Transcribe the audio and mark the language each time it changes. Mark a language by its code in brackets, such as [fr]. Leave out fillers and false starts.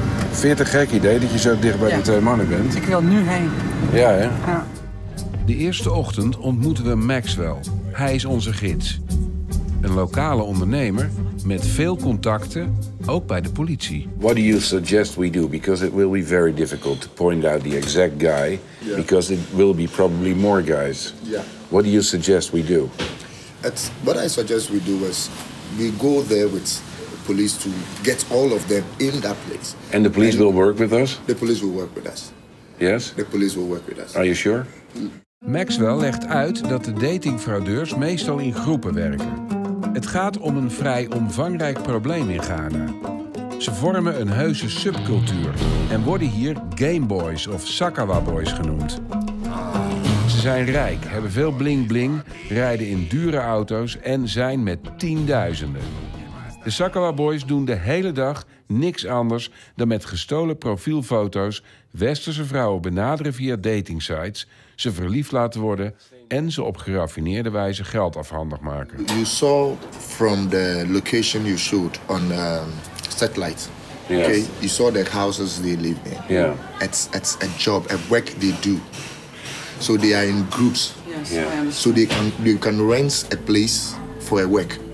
[nl] Vind je het een gek idee dat je zo dicht bij de twee mannen bent? Ik wil nu heen. Ja, hè? Ja. De eerste ochtend ontmoeten we Maxwell. Hij is onze gids. Een lokale ondernemer met veel contacten, ook bij de politie. [en] What do you suggest we do? Because it will be very difficult to point out the exact guy. Yeah. Because it will be probably more guys. Yeah. What do you suggest we do? What I suggest we do is we go there with police to get all of them in that place. And the police will work with us? The police will work with us. Yes? The police will work with us. Are you sure? [nl] Maxwell legt uit dat de datingfraudeurs meestal in groepen werken. Het gaat om een vrij omvangrijk probleem in Ghana. Ze vormen een heuse subcultuur en worden hier Gameboys of Sakawa Boys genoemd. Ze zijn rijk, hebben veel bling-bling, rijden in dure auto's en zijn met tienduizenden. De Sakawa Boys doen de hele dag niks anders dan met gestolen profielfoto's westerse vrouwen benaderen via datingsites, ze verliefd laten worden en ze op geraffineerde wijze geld afhandig maken. [en] You saw from the location you shoot on the satellite. Yes. Okay, you saw the houses they live in. Yeah. It's a job, a work they do. So they are in groups. Yes. Yeah. So they can rent a place for a work.